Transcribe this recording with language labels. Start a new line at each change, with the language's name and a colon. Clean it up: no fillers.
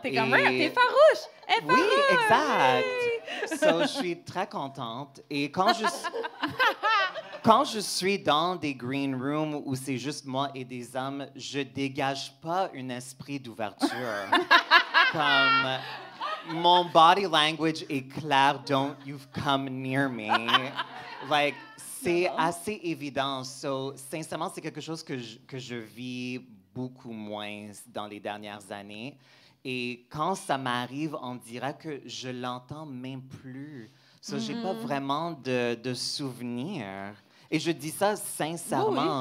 French: T'es farouche! Oui, exact! Oui.
English: So,
French: je suis très contente. Et quand je quand je suis dans des green rooms où c'est juste moi et des hommes, je dégage pas un esprit d'ouverture. Comme... Mon body language est clair,
English: don't you come near me. Like,
French: c'est assez évident.
English: So,
French: sincèrement, c'est quelque chose que je vis beaucoup moins dans les dernières années. Et quand ça m'arrive, on dirait que je l'entends même plus.
English: So,
French: mm-hmm. J'ai pas vraiment de souvenirs. Et je dis ça sincèrement.